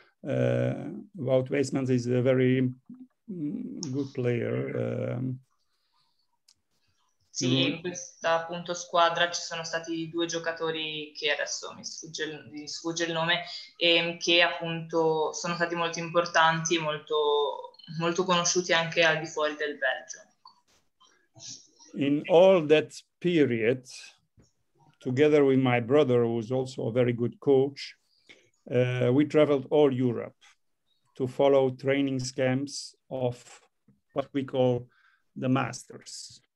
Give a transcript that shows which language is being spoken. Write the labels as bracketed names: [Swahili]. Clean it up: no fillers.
[English] Wout Weismans is a very good player. [Italian] Sì, in questa appunto squadra ci sono stati due giocatori che adesso mi sfugge il nome, e che appunto sono stati molto importanti e molto, molto conosciuti anche al di fuori del Belgio. [English] In all that period, together with my brother, who is also a very good coach, we traveled all Europe to follow training camps of what we call the masters.